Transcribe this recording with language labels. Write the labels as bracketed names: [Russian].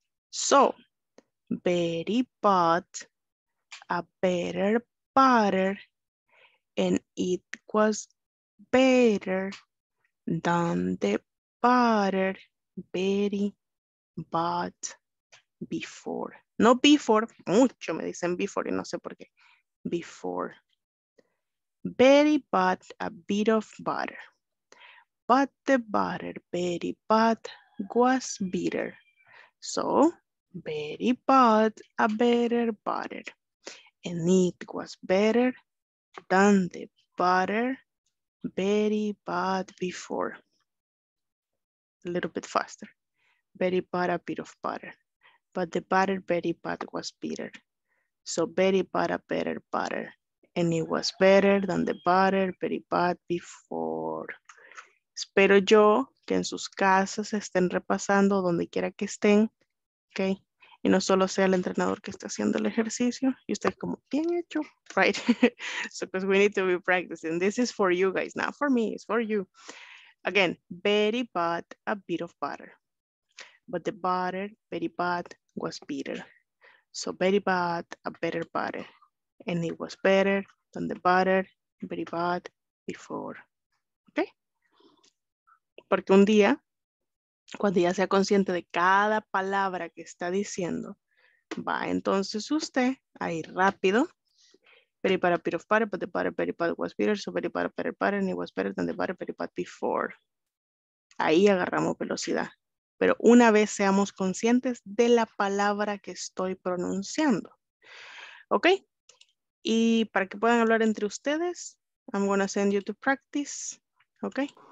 [English] So, very, but a better butter, and it was better than the butter, very, but before. [Spanish] No before, mucho me dicen before y no sé por qué. [English] Before. Very, but a bit of butter. But the butter, very, but was bitter. So, very, but a better butter. And it was better than the butter, very, but before. A little bit faster. Very, but a bit of butter. But the butter, very, but was bitter. So, very, but a better butter. And it was better than the butter, very bad before. [Spanish] Espero yo que en sus casas estén repasando donde quiera que estén, ¿ok? Y no solo sea el entrenador que está haciendo el ejercicio, y usted como, bien hecho, [English] right? So, because we need to be practicing. This is for you guys, not for me, it's for you. Again, very bad, a bit of butter. But the butter, very bad, was bitter. So very bad, a better butter. And it was better than the butter, very bad, before. ¿Ok? [Spanish] Porque un día, cuando ya sea consciente de cada palabra que está diciendo, va entonces usted a ir rápido. [English] Very bad, a bit of butter, but the butter, very bad, was bitter. So very bad, a better butter, and it was better than the butter, very bad, before. [Spanish] Ahí agarramos velocidad. Pero una vez seamos conscientes de la palabra que estoy pronunciando. [English] ¿Ok? [Spanish] Y para que puedan hablar entre ustedes, [English] I'm going to send you to practice. Ok.